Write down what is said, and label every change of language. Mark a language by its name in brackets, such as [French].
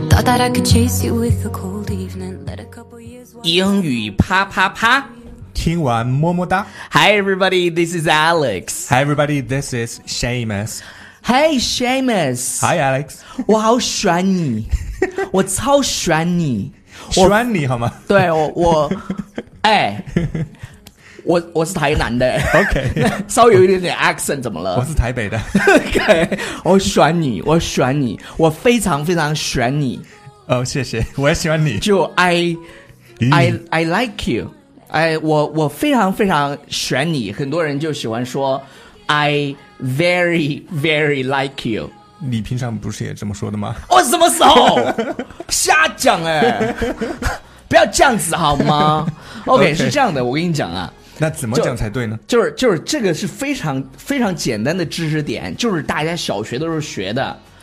[English] Thought that I could chase you with a cold evening. Let a couple years. [Chinese] 英语啪啪啪，听完么么哒。 [English] Hi everybody, this is Alex. Hi everybody, this is Seamus. Hey Seamus. Hi Alex. [Chinese] 我好喜欢你，我超喜欢你。喜欢你好吗？对，我哎。我是台南的 [English] ，OK， [Chinese] 稍微有一点点 accent， 怎么了？我是台北的，OK， 我喜欢你，我喜欢你，我非常非常喜欢你。哦，谢谢，我也喜欢你。就 [English] I like you， [Chinese] 哎，我非常非常喜欢你。很多人就喜欢说 [English] I very very like you。 [Chinese] 你平常不是也这么说的吗？我什么时候瞎讲哎？不要这样子好吗 okay, ？OK， 是这样的，我跟你讲啊。那怎么讲才对呢？就是这个是非常非常简单的知识点，就是大家小学都是学的。